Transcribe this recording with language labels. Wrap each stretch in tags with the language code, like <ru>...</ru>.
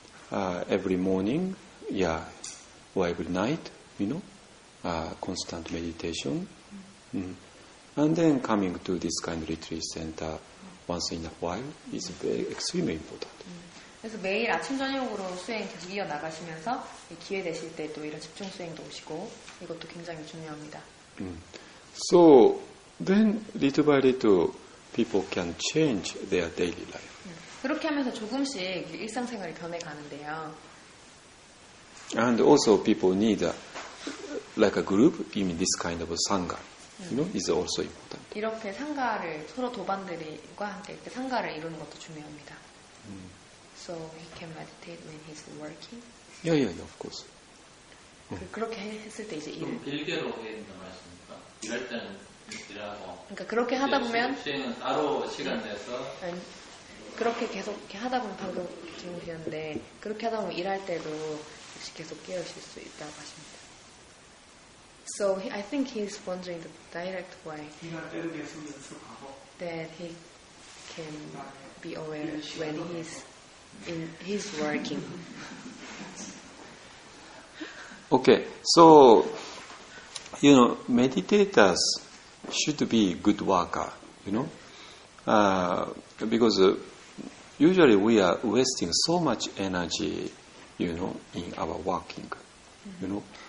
<en>every morning, yeah, or every night, you know, constant meditation. Mm. Mm. And then coming to this kind of retreat center once in a while is extremely important.</en> <ko>그래서 매일 아침 저녁으로 수행 계속 이어 나가시면서 기회 되실 때 또 이런 집중 수행도 오시고 이것도 굉장히 중요합니다.</ko> <en>So then little by little people can change their daily life.</en> <ko>그렇게 하면서 조금씩 일상생활이 변해 가는데요.</ko> <en>And also people need like a group, you mean this kind of sangha. You know, is also important.</en> <ko>이렇게 상가를 서로 도반들과 함께 이렇게 상가를 이루는 것도 중요합니다.</ko> <en>So he can meditate when he's working. Yeah, yeah, yeah, of course.</en> <ko>그렇게 했을 때 이제 일. 좀 길게로 말씀하십니까? 일할 때는 일하고. 그러니까 그렇게 하다 보면 수행은 따로 시간 내서. 아니, 그렇게 계속 이렇게 하다 보면 방금 질문드렸는데 그렇게 하다 보면 일할 때도 역시 계속 깨어 있을 수 있다고 하십니다.</ko> <en>So he, I think he's wondering the direct way that he can be aware when he's in his working. Okay, so you know, meditators should be good worker, you know, because usually we are wasting so much energy, you know, in our working, you know.</en>